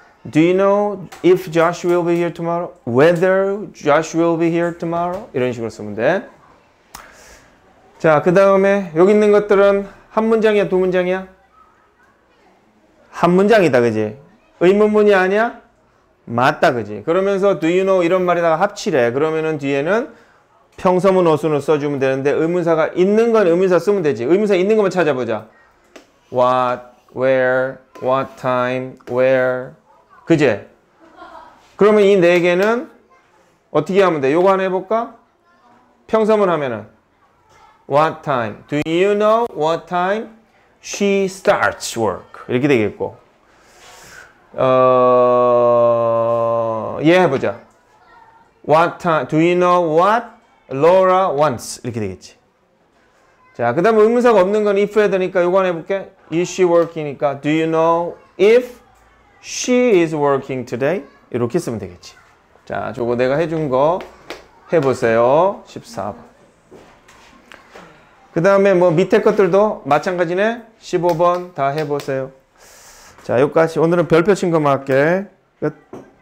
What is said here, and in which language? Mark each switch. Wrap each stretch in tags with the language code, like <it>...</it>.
<en>Do you know if Josh will be here tomorrow? Whether Josh will be here tomorrow?</en> <ko>이런 식으로 쓰면 돼. 자, 그 다음에 여기 있는 것들은 한 문장이야, 두 문장이야? 한 문장이다, 그지? 의문문이 아니야? 맞다, 그지? 그러면서 do you know 이런 말에다가 합치래. 그러면은 뒤에는 평서문 어순을 써주면 되는데 의문사가 있는 건 의문사 쓰면 되지. 의문사 있는 것만 찾아보자.</ko> <en>What, where, what time, where. 그제?</en> <ko>그러면 이 네 개는 어떻게 하면 돼? 요거 하나 해볼까? 평서문 하면은 What time?</ko> <en>Do you know what time she starts work?</en> <ko>이렇게 되겠고 예 해보자.</ko> <en>What time? Do you know what Laura wants?</en> <ko>이렇게 되겠지. 자, 그 다음에 의문사가 없는 건 if 해야 되니까 요거 하나 해볼게.</ko> <en>Is she working</en> <ko>이니까</ko> <en>Do you know if She is working today.</en> <ko>이렇게 쓰면 되겠지. 자, 저거 내가 해준 거 해보세요. 14번. 그 다음에 뭐 밑에 것들도 마찬가지네. 15번 다 해보세요. 자, 여기까지. 오늘은 별표 친 것만 할게. 끝.</ko>